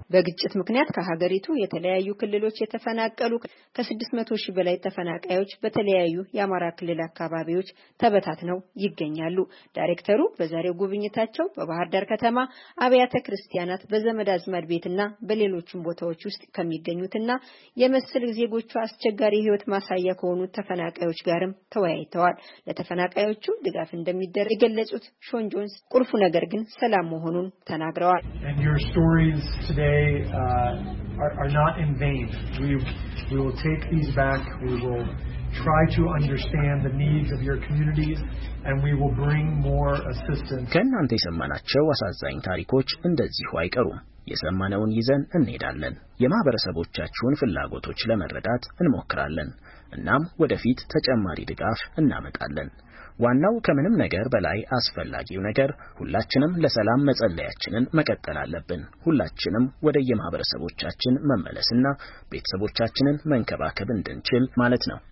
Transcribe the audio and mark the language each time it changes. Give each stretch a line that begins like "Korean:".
Amharic: በግጭት ምክንያት ከሀገሪቱ የተለያዩ ክልሎች የተፈናቀሉ ከ600,000 በላይ ተፈናቃዮች በተለያዩ የአማራ ክልል አካባቢዎች ተበታትነው ይገኛሉ። ዳይሬክተሩ በዛሬው ጉብኝታቸው በባህር ዳር ከተማ አብያተ ክርስቲያናት በዘመድ አዝማድ ቤትና በሌሎችም ቦታዎች ውስጥ ከሚገኙትና የመስል ዜጎቹ አስቸጋሪ ህይወት ማሳያ ከሆኑ ተፈናቃዮች ጋርም ተወያይተዋል። ለተፈናቃዮቹ ድጋፍ እንደሚደረግ የገለጹት ሾን ጆንስ ቁልፉ ነገር ግን ሰላም መሆኑን ተናግረዋል።
English: And your stories today are not in vain. We will take these back. We will try to understand the needs of your communities and we will bring more assistance.
Amharic: ከእናንተ የሰማናቸው አሳዛኝ ታሪኮች እንደዚህው አይቀሩም። የሰማነውን ይዘን እንሄዳለን። የማህበረሰቦቻችሁን ፍላጎቶች ለመረዳት እንሞክራለን። እናም ወደፊት ተጨማሪ ድጋፍ እናመጣለን። ዋናው ከምንም ነገር በላይ አስፈላጊው ነገር ሁላችንም ለሰላም መጸለያችንን መቀጠል አለብን። ሁላችንም ወደ የማህበረሰቦቻችን መመለስና ቤተሰቦቻችንን መንከባከብ እንድንችል ማለት ነው።